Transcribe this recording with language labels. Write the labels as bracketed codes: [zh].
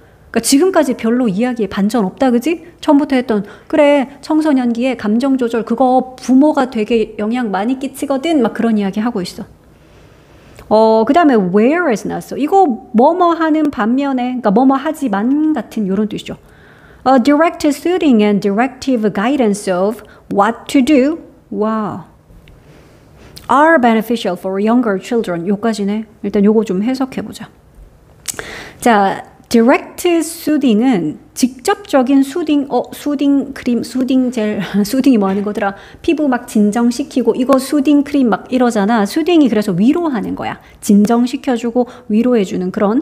[ko] 그러니까 지금까지 별로 이야기에 반전 없다, 그지? 처음부터 했던, 그래, 청소년기에 감정 조절, 그거 부모가 되게 영향 많이 끼치거든? 막 그런 이야기 하고 있어. 어, 그 다음에 [en] where is [ko] 나왔어. 이거 뭐뭐 하는 반면에, 그러니까 뭐뭐 하지만 같은 이런 뜻이죠. [en] Direct soothing and directive guidance of what to do. 와. are beneficial for younger children. 요까지네. [ko] 일단 요거 좀 해석해 보자. 자, [en] direct soothing [ko] 은 직접적인 수딩, 수딩 크림, 수딩 젤, 수딩이 뭐 하는 거더라? 피부 막 진정시키고 이거 수딩 크림 막 이러잖아. 수딩이 그래서 위로하는 거야. 진정시켜주고 위로해주는 그런.